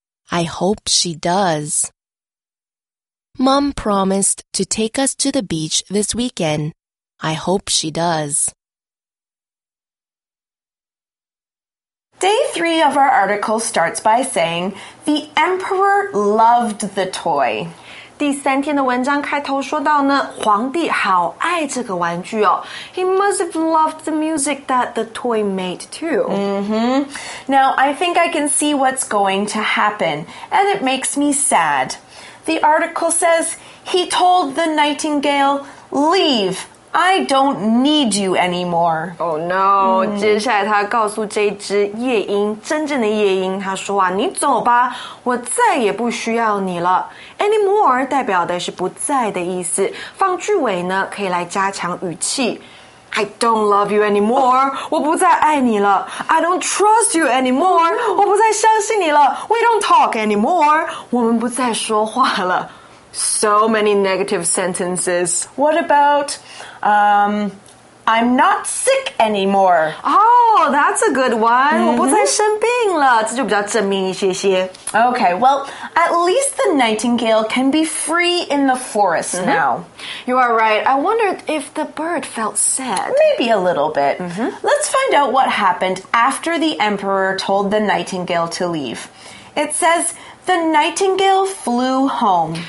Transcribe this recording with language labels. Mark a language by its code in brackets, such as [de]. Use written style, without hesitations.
[en] I hope she does. Mom promised to take us to the beach this weekend. I hope she does. Day 3 of our article starts by saying, the emperor loved the toy. [zh] 第三天的文章开头说到呢，皇帝好爱这个玩具哦。 [en] He must have loved the music that the toy made too. Mm-hmm. Now, I think I can see what's going to happen, and it makes me sad. The article says, he told the nightingale, leave. I don't need you anymore. Oh no,、 [zh] 接下来他告诉这只夜莺，真正的夜莺，他说啊，你走吧，我再也不需要你了。 Anymore 代表的是不在的意思，放句尾呢，可以来加强语气。 [en] I don't love you anymore. [zh] 我不再爱你了。 [en] I don't trust you anymore. [zh] 我不再相信你了。 [en] We don't talk anymore. [zh] 我们不再说话了。 [en] So many negative sentences. What about, I'm not sick anymore. Oh, that's a good one. [zh] 我不再生病了，这就比较正面一些些。 [en] Okay, well, at least the nightingale can be free in the forest now. You are right. I wondered if the bird felt sad. Maybe a little bit. Let's find out what happened after the emperor told the nightingale to leave. It says... The nightingale flew home.